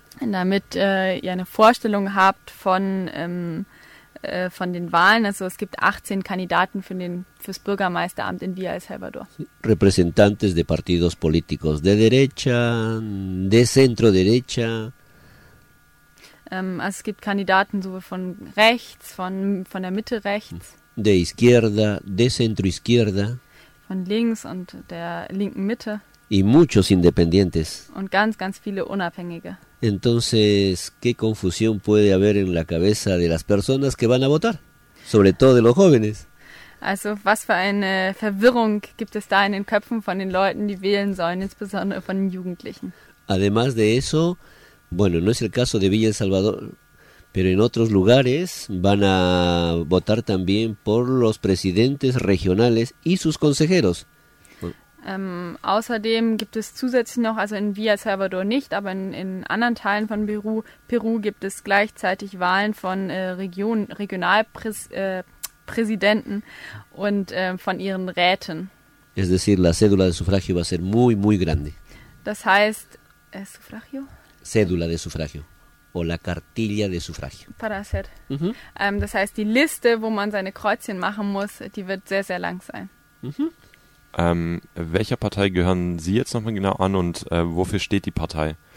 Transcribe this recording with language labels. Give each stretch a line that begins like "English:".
German: Damit ihr eine Vorstellung habt von den Wahlen, also es gibt 18 Kandidaten fürs Bürgermeisteramt in Villa El Salvador.
Spanish: Representantes de partidos políticos de derecha, de centro derecha.
German: Also es gibt Kandidaten sowohl von rechts, von der Mitte rechts.
Spanish: De izquierda, de centro izquierda.
German: Von links und der linken Mitte.
Spanish: Y muchos independientes.
German: Und ganz, ganz viele Unabhängige.
Spanish: Entonces, ¿qué confusión puede haber en la cabeza de las personas que van a votar? Sobre todo de los jóvenes.
German: Also, was für eine Verwirrung gibt es da in den Köpfen von den Leuten, die wählen sollen, insbesondere von den Jugendlichen.
Spanish: Además de eso, bueno, no es el caso de Villa El Salvador, pero en otros lugares van a votar también por los presidentes regionales y sus consejeros.
German: Außerdem gibt es zusätzlich noch, also in Villa El Salvador nicht, aber in anderen Teilen von Peru gibt es gleichzeitig Wahlen von Regionalpräsidenten und von ihren Räten.
Spanish: Es decir, la cédula de sufragio va a ser muy, muy grande.
German: Das heißt, sufragio?
Spanish: Cédula de sufragio o la cartilla de sufragio. Para hacer. Uh-huh.
German: Das heißt, die Liste, wo man seine Kreuzchen machen muss, die wird sehr, sehr lang sein. Uh-huh. Welcher Partei gehören Sie jetzt nochmal genau an und wofür steht die Partei?